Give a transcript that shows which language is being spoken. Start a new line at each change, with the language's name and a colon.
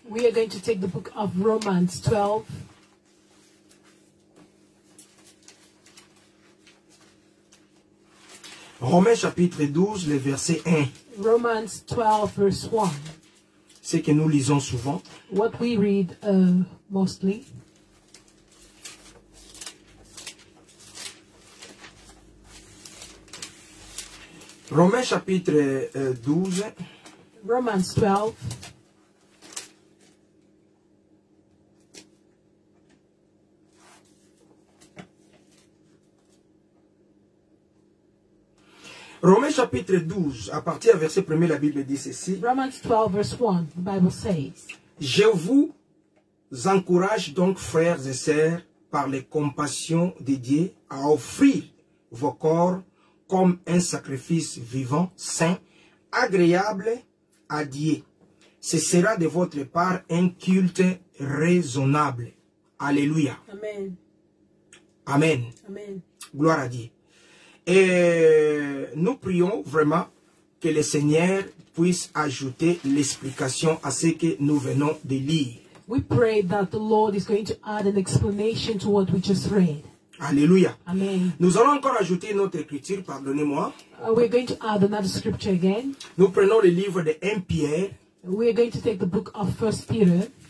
English: We are going to take the book of Romans 12.
French: Romains, chapitre 12, le verset 1.
English: Romans 12, verse 1.
French: Ce que nous lisons souvent.
English: What we read mostly.
French: Romains chapitre 12.
English: Romans 12.
French: Le Romains chapitre 12, à partir du verset 1, la Bible dit ceci.
English: Romans 12, verse 1, the Bible says.
French: Je vous encourage donc, frères et sœurs, par les compassions de Dieu, à offrir vos corps comme un sacrifice vivant, saint, agréable à Dieu. Ce sera de votre part un culte raisonnable. Alléluia. Amen. Amen. Amen. Gloire à Dieu. Et nous prions vraiment que le Seigneur puisse ajouter l'explication à ce que nous venons de lire.
English: We pray that the Lord is going to add an explanation to what we just read. Alléluia. Amen.
French: Nous allons encore ajouter une autre écriture, pardonnez-moi.
English: We're going to add another scripture again.
French: Nous prenons le livre de 1 Pierre.
English: We are going to take the book of 1 Peter.